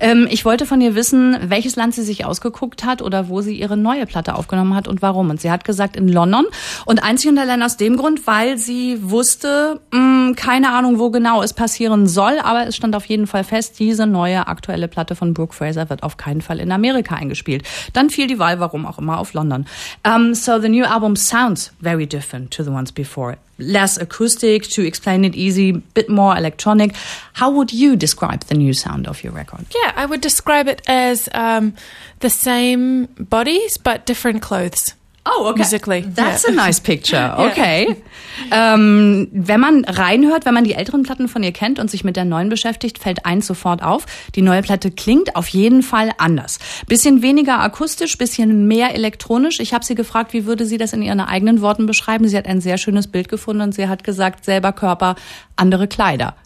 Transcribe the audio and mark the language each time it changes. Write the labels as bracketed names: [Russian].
[German] Ich wollte von ihr wissen, welches Land sie sich ausgeguckt hat oder wo sie ihre neue Platte aufgenommen hat und warum. Und sie hat gesagt, in London. Und einzig und allein aus dem Grund, weil sie wusste, keine Ahnung, wo genau es passieren soll, aber es stand auf jeden Fall fest, diese neue aktuelle Platte von Brooke Fraser wird auf keinen Fall in Amerika eingespielt. Dann fiel die Wahl, warum auch immer, auf London. [English] So the new album sounds very different to the ones before. Less acoustic, to explain it easy, bit more electronic. How would you describe the new sound of your record? Yeah, I would describe it as the same bodies, but different clothes. Oh, okay. Musically. That's a nice picture. Okay. [German] Wenn man reinhört, wenn man die älteren Platten von ihr kennt und sich mit der neuen beschäftigt, fällt eins sofort auf. Die neue Platte klingt auf jeden Fall anders. Bisschen weniger akustisch, bisschen mehr elektronisch. Ich habe sie gefragt, wie würde sie das in ihren eigenen Worten beschreiben? Sie hat ein sehr schönes Bild gefunden und sie hat gesagt, selber Körper, andere Kleider.